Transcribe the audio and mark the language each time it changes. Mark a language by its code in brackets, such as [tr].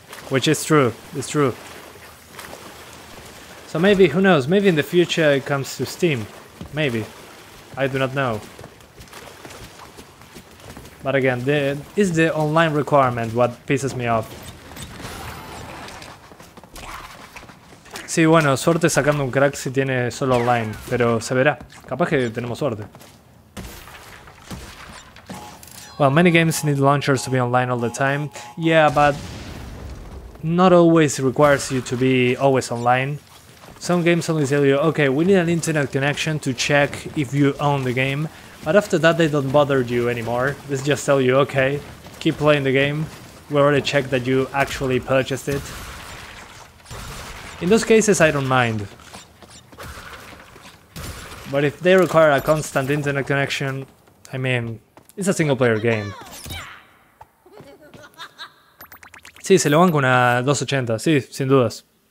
[en] Which is true, it's true. So maybe, who knows, maybe in the future it comes to Steam. Maybe. I do not know. But again, is the online requirement what pisses me off. [es] Sí, bueno, suerte sacando un crack si tiene solo online, pero se verá. Capaz que tenemos suerte. [en] Well, many games need launchers to be online all the time. Yeah, but not always requires you to be always online. Some games only tell you, okay, we need an internet connection to check if you own the game. But after that, they don't bother you anymore. They just tell you, okay, keep playing the game. We already checked that you actually purchased it. In those cases, I don't mind. But if they require a constant internet connection, I mean, it's a single-player game. [es] Sí, se lo banco una 280, sí, sin dudas.